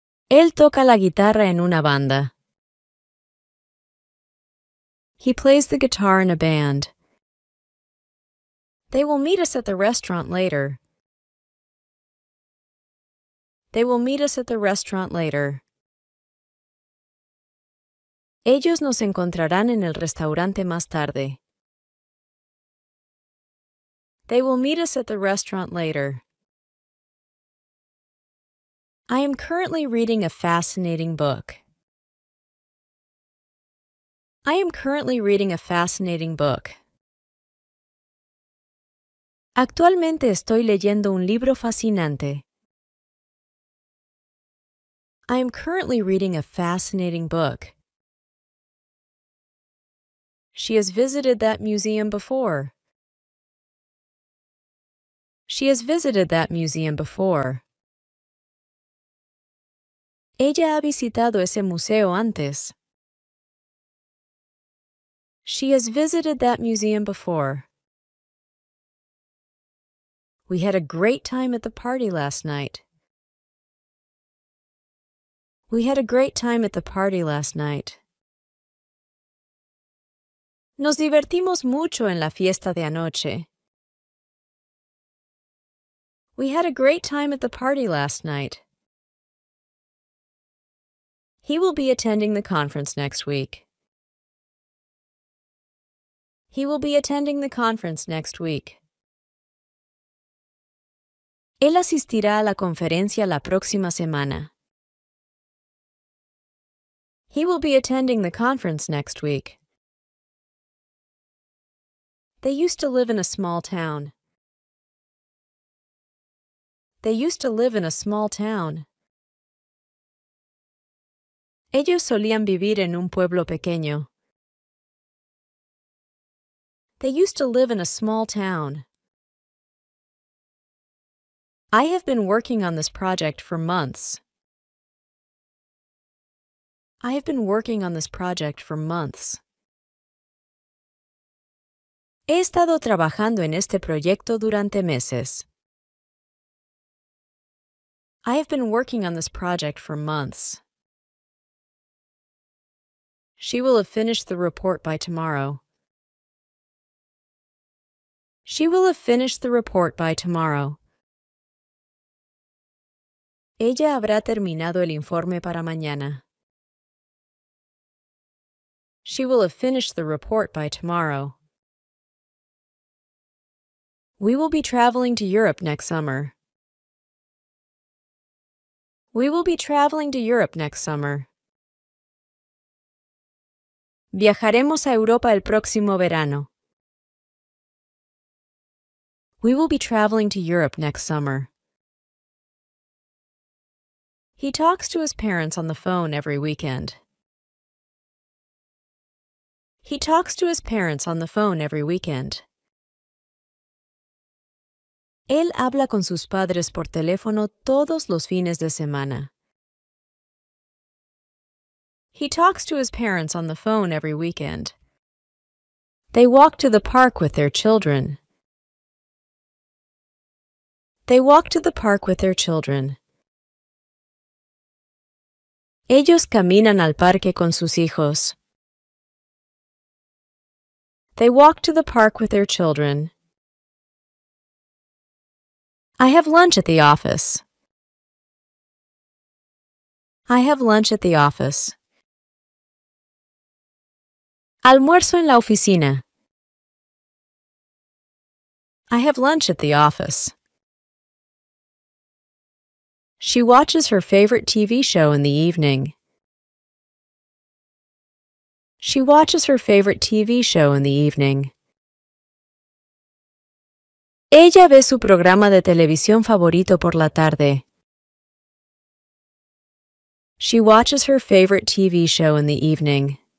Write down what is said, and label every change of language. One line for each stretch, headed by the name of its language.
Spanish: Él toca la guitarra en una banda.
English: He plays the guitar in a band. They will meet us at the restaurant later. They will meet us at the restaurant later.
Spanish: Ellos nos encontrarán en el restaurante más tarde.
English: They will meet us at the restaurant later. I am currently reading a fascinating book. I am currently reading a fascinating book.
Spanish: Actualmente estoy leyendo un libro fascinante.
English: I am currently reading a fascinating book. She has visited that museum before. She has visited that museum before.
Spanish: Ella ha visitado ese museo antes.
English: She has visited that museum before. We had a great time at the party last night. We had a great time at the party last night.
Spanish: Nos divertimos mucho en la fiesta de anoche.
English: We had a great time at the party last night. He will be attending the conference next week. He will be attending the conference next week.
Spanish: Él asistirá a la conferencia la próxima semana.
English: He will be attending the conference next week. They used to live in a small town. They used to live in a small town.
Spanish: Ellos solían vivir en un pueblo pequeño.
English: They used to live in a small town. I have been working on this project for months. I have been working on this project for months.
Spanish: He estado trabajando en este proyecto durante meses.
English: I have been working on this project for months. She will have finished the report by tomorrow. She will have finished the report by tomorrow.
Spanish: Ella habrá terminado el informe para mañana.
English: She will have finished the report by tomorrow. We will be traveling to Europe next summer. We will be traveling to Europe next summer.
Spanish: Viajaremos a Europa el próximo verano.
English: We will be traveling to Europe next summer. He talks to his parents on the phone every weekend. He talks to his parents on the phone every weekend.
Spanish: Él habla con sus padres por teléfono todos los fines de semana.
English: He talks to his parents on the phone every weekend. They walk to the park with their children. They walk to the park with their children.
Spanish: Ellos caminan al parque con sus hijos.
English: They walk to the park with their children. I have lunch at the office. I have lunch at the office.
Spanish: Almuerzo en la oficina.
English: I have lunch at the office. She watches her favorite TV show in the evening. She watches her favorite TV show in the evening.
Spanish: Ella ve su programa de televisión favorito por la tarde.
English: She watches her favorite TV show in the evening.